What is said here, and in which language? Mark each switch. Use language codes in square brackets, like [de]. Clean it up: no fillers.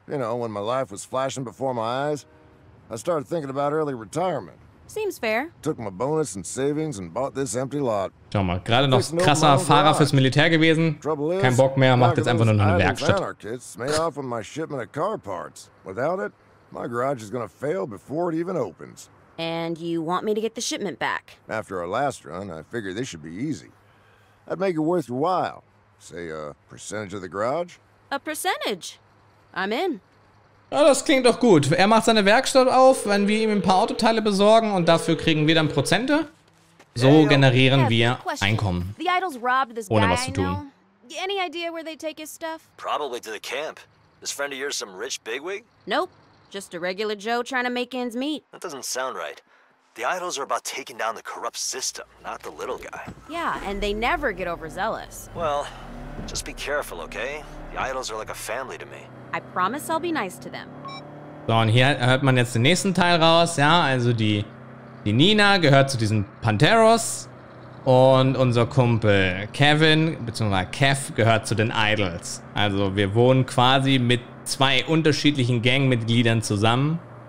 [en] You know, when my life was flashing before my eyes, I started thinking about early retirement. Seems fair. Took my bonus and savings and bought this empty lot. [de] Schau mal, gerade noch krasser Fahrer fürs Militär gewesen. Kein Bock mehr, macht jetzt einfach nur noch eine Werkstatt. [en] Made off with my shipment of car parts. Without it, my garage is gonna fail before it even opens. And you want me to get the shipment back? After our last run, I figured this should be easy. I'd make it worth your while. Say a percentage of the garage? A percentage. I'm in. [de] Ja, das klingt doch gut. Er macht seine Werkstatt auf, wenn wir ihm ein paar Autoteile besorgen und dafür kriegen wir dann Prozente. So generieren wir Einkommen. [en] The idols robbed this [de] ohne [en] guy, [de] was zu tun. [en] Any idea where they take his stuff? Probably to the camp. This friend of yours some rich bigwig? Nope. Just a regular Joe trying to make ends meet. That doesn't sound right. The idols are about taking down the corrupt system, not the little guy. Yeah, and they never get overzealous. Well, just be careful, okay? The idols are like a family to me. I promise I'll be nice to them. [de] So, und hier hört man jetzt den nächsten Teil raus. Ja, also die Nina gehört zu diesen Panteros. Und unser Kumpel Kevin, beziehungsweise Kev, gehört zu den Idols. Also wir wohnen quasi mit zwei unterschiedlichen Gangmitgliedern zusammen.